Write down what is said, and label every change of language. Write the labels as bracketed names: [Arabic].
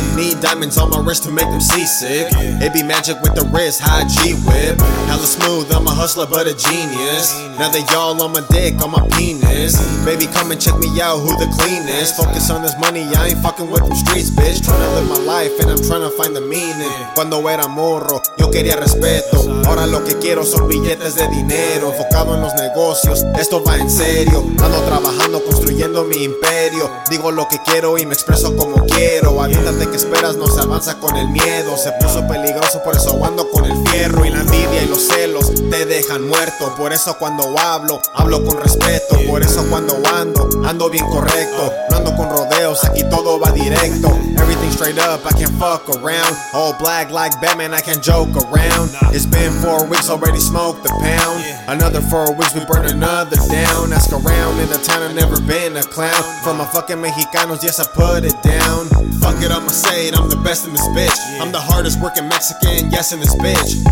[English] Need diamonds on my wrist to make them seasick. It be magic with the wrist, high G whip. Hella smooth, I'm a hustler but a genius. Now they y'all on my dick, on my penis. Baby, come and check me out, who the cleanest? Focus on this money, I ain't fucking with them streets, bitch. Tryna live my life and I'm tryna find the meaning. [Spanish] Cuando era morro, yo quería respeto. Ahora lo que quiero son billetes de dinero. Enfocado en los negocios, esto va en serio. Ando trabajando, construyendo mi imperio. Digo lo que quiero y me expreso como quiero. Aviéntate que esperas, no se avanza con el miedo. Se puso peligroso, por eso ando con el fierro. Y la envidia y los celos te dejan muerto. Por eso cuando hablo, hablo con respeto. Por eso cuando ando, ando bien correcto. No ando con rodeos, aquí todo va directo. [English] Everything straight up, I can't fuck around. All black like Batman, I can't joke around. It's been 4 weeks, already smoked a pound. Another 4 weeks, we burn another down. Ask around in the town, I've never been a clown. For my fucking Mexicanos, yes, I put it down. Fuck it, I'ma say it, I'm the best in this bitch. I'm the hardest working Mexican, yes, in this bitch.